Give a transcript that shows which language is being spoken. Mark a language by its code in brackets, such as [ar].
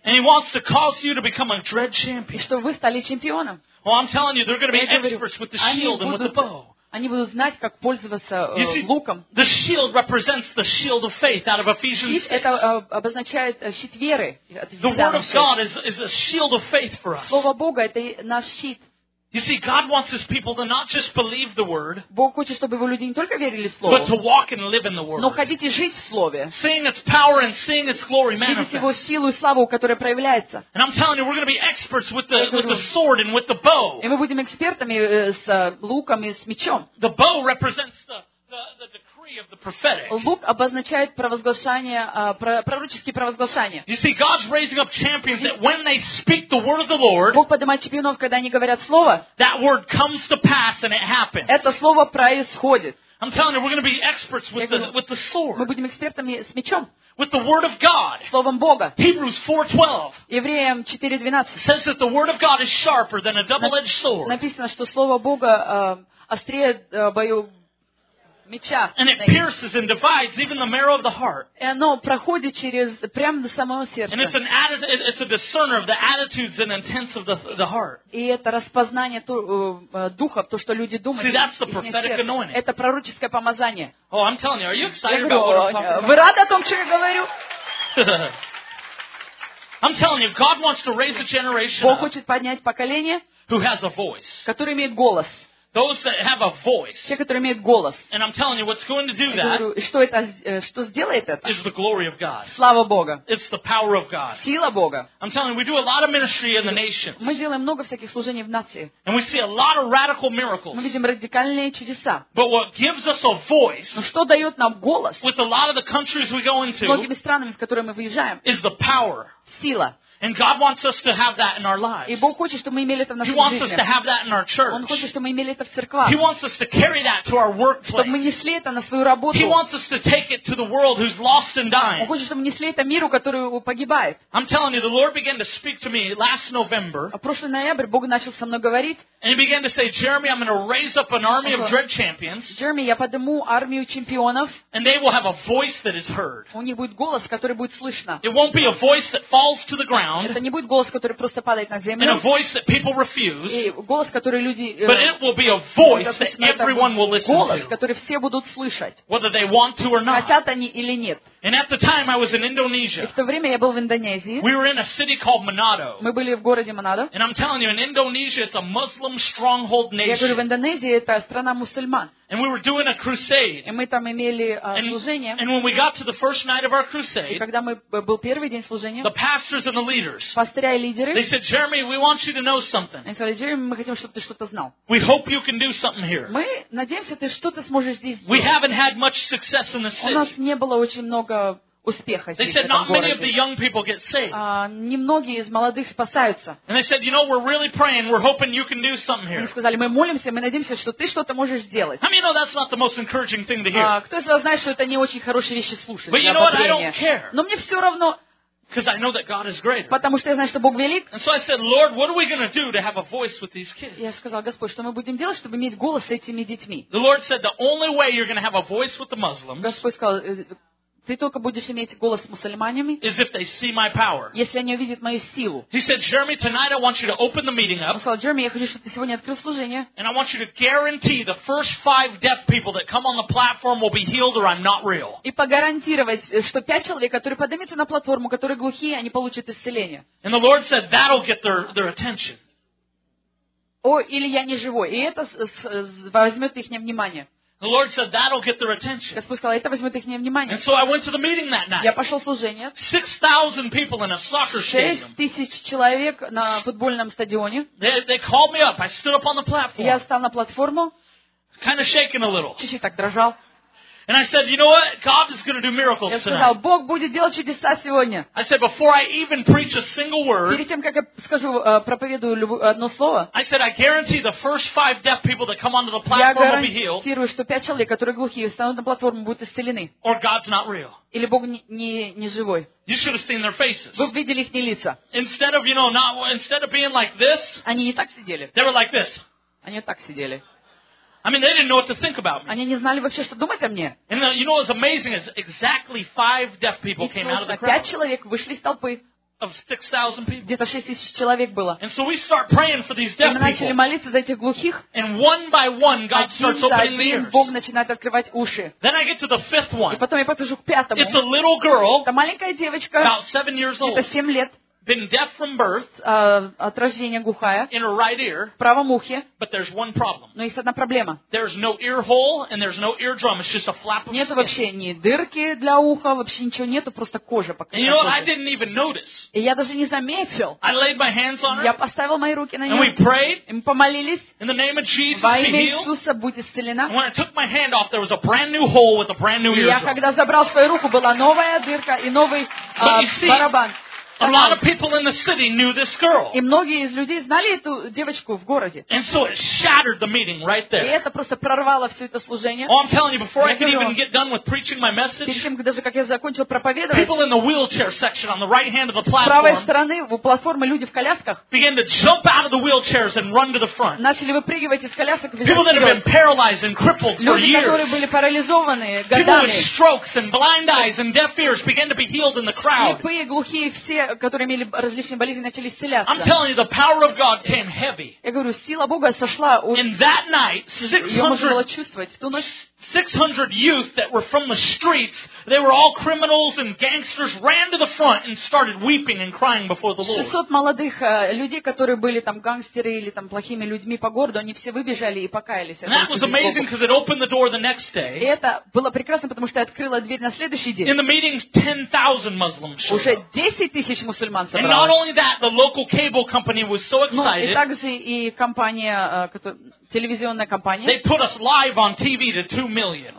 [en] And he wants to cause you to become a dread champion. [ru] И чтобы вы стали чемпионом. [en] Well, I'm telling you, they're going to be experts with the shield and with the bow. [ru] Они будут знать, как пользоваться луком. [en] The shield represents the shield of faith out of Ephesians 6. [ru] Это обозначает щит веры. [en] The word of God is a shield of faith for us. [ru] Слово Бога это наш щит. [en] You see, God wants His people to not just believe the word, [ru] Бог хочет, чтобы его люди не только верили в слово, [en] but to walk and live in the word. [ru] Но ходить и жить в слове. [en] Seeing its power and seeing its glory manifest. [ru] Видеть его силу и славу, которая проявляется. [en] And I'm telling you, we're going to be experts with the sword and with the bow. [ru] И мы будем экспертами с луком и с мечом. [en] The bow represents the decree of the prophetic. [ru] Лук обозначает провозглашение, пророческие провозглашения. [en] You see, God's raising up champions that when they speak the word of the Lord, [ru] Бог поднимает чемпионов, когда они говорят слово, [en] that word comes to pass and it happens. [ru] Это слово происходит. [en] I'm telling you, we're going to be experts with the sword. [ru] Мы будем экспертами с мечом. [en] With the word of God. [ru] Словом Бога. [en] Hebrews 4:12. [ru] Евреям 4:12. [en] Says that the word of God is sharper than a double-edged sword. [ru] Написано, что слово Бога острее бою. [en] And it pierces and divides even the marrow of the heart. [ru] И оно проходит через прямо до самого сердца. [en] And it's a discerner of the attitudes and intents of the heart. [ru] И это распознание духов, то, что люди думают. [en] See, that's the prophetic anointing. [ru] Это пророческое помазание. [en] Oh, I'm telling you, are you excited about what I'm talking about? [ru] Вы рады о том, что я говорю? [en] I'm telling you, God wants to raise a generation. [ru] Бог хочет поднять поколение, [en] who has a voice, [ru] который имеет голос. [en] Those that have a voice. [ru] Те, которые имеют голос. [en] And I'm telling you, what's going to do that? [ru] Что сделает это? [en] Is the glory of God. [ru] Слава Бога. [en] It's the power of God. [ru] Сила Бога. [en] I'm telling you, we do a lot of ministry in the nations. [ru] Мы делаем много всяких служений в нации. [en] And we see a lot of radical miracles. [ru] Мы видим радикальные чудеса. [en] But what gives us a voice? [ru] Но что дает нам голос? [en] With a lot of the countries we go into. [ru] Многими странами, в которые мы выезжаем. [en] Is the power. [ru] Сила. [en] And God wants us to have that in our lives. [ru] И Бог хочет, чтобы мы имели это в нашей жизни. [en] He wants us to have that in our church. [ru] Он хочет, чтобы мы имели это в церквах. [en] He wants us to carry that to our workplace. [ru] Чтобы мы несли это на свою работу. [en] He wants us to take it to the world who's lost and dying. [ru] Он хочет, чтобы мы несли это миру, который погибает. [en] I'm telling you, the Lord began to speak to me last November. [ru] А прошлый ноябрь Бог начал со мной говорить. [en] And He began to say, Jeremy, I'm going to raise up an army of dread champions. [ru] Jeremy, я подниму армию чемпионов. [en] And they will have a voice that is heard. [ru] У них будет голос, который будет слышно. [en] It won't be a voice that falls to the ground. [ru] Это не будет голос, который просто падает на землю. [en] And a voice that people refuse. [ru] И голос, который люди. [en] But it will be a voice that everyone will listen to. [ru] Голос, который все будут слышать. [en] Whether they want to or not. [ru] Хотят они или нет. [en] And at the time I was in Indonesia. [ru] И в то время я был в Индонезии. [en] We were in a city called Manado. [ru] Мы были в городе Манадо. [en] And I'm telling you, in Indonesia it's a Muslim stronghold nation. [ru] Я говорю, в Индонезии это страна мусульман. [en] And we were doing a crusade. [ru] И мы там имели служение. [en] And when we got to the first night of our crusade. [ru] И когда мы был первый день служения. [en] The pastors and the leaders. [ru] Пастыря и лидеры. [en] They said, Jeremy, we want you to know something. [ru] Они сказали, Джереми, мы хотим, чтобы ты что-то знал. [en] We hope you can do something here. [ru] Мы надеемся, ты что-то сможешь здесь сделать. [en] We haven't had much success in this city. [ru] У нас не было очень много успеха здесь, [en] They said, not many of the young people get saved. [ru] Немногие из молодых спасаются. [en] And they said, you know, we're really praying, we're hoping you can do something here. [ru] Они сказали, мы молимся, мы надеемся, что ты что-то можешь сделать. [en] How many know that's not the most encouraging thing to hear? [ru] Кто из вас знает, что это не очень хорошие вещи слушать? [en] But you know what? I don't care. [ru] Но мне все равно. [en] Because I know that God is greater. [ru] Потому что я знаю, что Бог велик. [en] And so I said, Lord, what are we going to do to have a voice with these kids? [ru] Я сказал, Господь, что мы будем делать, чтобы иметь голос с этими детьми? [en] The Lord said, the only way you're going to have a voice with the Muslims. [ru] Господь сказал. Ты только будешь иметь голос с мусульманами, если они увидят мою силу. [en] He said, Jeremy, tonight I want you to open the meeting up. [ru] Он сказал, Джереми, я хочу, чтобы ты сегодня открыл служение. [en] And I want you to guarantee the first five deaf people that come on the platform will be healed or I'm not real. [ru] И погарантировать, что пять человек, которые поднимутся на платформу, которые глухие, они получат исцеление. [en] And the Lord said, that'll get their attention. [ru] О, или я не живой. И это возьмет их внимание. [en] The Lord said that'll get their attention. [ru] Господь сказал, это возьмет их внимание. [en] And so I went to the meeting that night. [ru] Я пошел служение. [en] 6,000 people in a soccer stadium. [ru] 6,000 человек на футбольном стадионе. [en] They called me up. I stood up on the platform. [ru] Я встал на платформу. [en] Kind of shaking a little. [ru] Чуть-чуть так дрожал. [en] And I said, you know what? God is going to do miracles tonight. [ru] Я сказал, Бог будет делать чудеса сегодня. [en] I said, before I even preach a single word. [ru] Перед тем, как я скажу, проповедую одно слово. [en] I said, I guarantee the first five deaf people that come onto the platform will be healed. [ru] Я гарантирую, что пять человек, которые глухие, встанут на платформу, будут исцелены. [en] Or God's not real. [ru] Или Бог не живой. [en] You should have seen their faces. [ru] Вы видели их лица. [en] Instead of, you know, instead of being like this. [ru] Они не так сидели. [en] They were like this. [ru] Они так сидели. [en] I mean, they didn't know what to think about me. [ru] Они не знали вообще, что думать о мне. [en] And the, you know what's amazing is exactly five deaf people came out of the crowd. [ru] Пять человек вышли из толпы. [en] Of 6,000 people. [ru] Где-то 6,000 человек было. [en] And so we start praying for these deaf people. [ru] И мы начали молиться за этих глухих. [en] And one by one, God starts opening the ears. [ru] Бог начинает открывать уши. [en] Then I get to the fifth one. [ru] И потом я подхожу к пятому. [en] It's a little girl. [ru] Это маленькая девочка. [en] About 7 years old. [ru] Это 7 лет. [en] Been deaf from birth, [ru] от рождения глухая, [en] in her right ear, [ru] в правом ухе, [en] but there's one problem. [ru] Но есть одна проблема. [en] There's no ear hole and there's no eardrum. It's just a flap of skin. [ru] Нет вообще ни дырки для уха, вообще ничего нету, просто кожа покрыта. [en] And you know what? I didn't even notice. [ru] И я даже не заметил. [en] I laid my hands on her. [ru] Я поставил мои руки на нее. [en] And we prayed. [ru] И мы помолились. [en] In the name of Jesus, [ru] во имя Иисуса, будь исцелена. [en] When I took my hand off, there was a brand new hole with a brand new eardrum. [ru] Я когда забрал свою руку, была новая дырка и новый барабан. [en] A lot of people in the city knew this girl. [ru] И многие из людей знали эту девочку в городе. [en] And so it shattered the meeting right there. [ru] И это просто прорвало все это служение. [en] Oh, I'm telling you, before I could even get done with preaching my message. [ru] Перед тем, даже как я закончил проповедовать. [en] People in the wheelchair section on the right hand of the platform. [ru] С правой стороны у платформы люди в колясках. [en] Began to jump out of the wheelchairs and run to the front. [ru] Начали выпрыгивать из колясок. [en] People that had been paralyzed and crippled for years. [ru] Люди, которые были парализованы годами. [en] People with strokes and blind eyes and deaf ears began to be healed in the crowd. [ru] Слепые, глухие все. Которые имели различные болезни, начали исцеляться. [en] I'm telling you, the power of God came heavy. [ru] Я говорю, сила Бога сошла. [en] And that night, 600, [ru] ее можно было чувствовать. В ту ночь [en] 600 youth that were from the streets, they were all criminals and gangsters, ran to the front and started weeping and crying before the Lord. [ru] 600 молодых людей, которые были там гангстеры или там плохими людьми по городу, они все выбежали и покаялись. [en] And that was amazing because it opened the door the next day. [ru] И это было прекрасно, потому что открыло дверь на следующий день. [en] In the meeting, 10,000 Muslims showed up. [ru] Уже 10,000 мусульман собралось. [en] And not only that, the local cable company was so excited. [ru] Но и также и компания, телевизионная компания. [en] They put us live on TV to 2 million.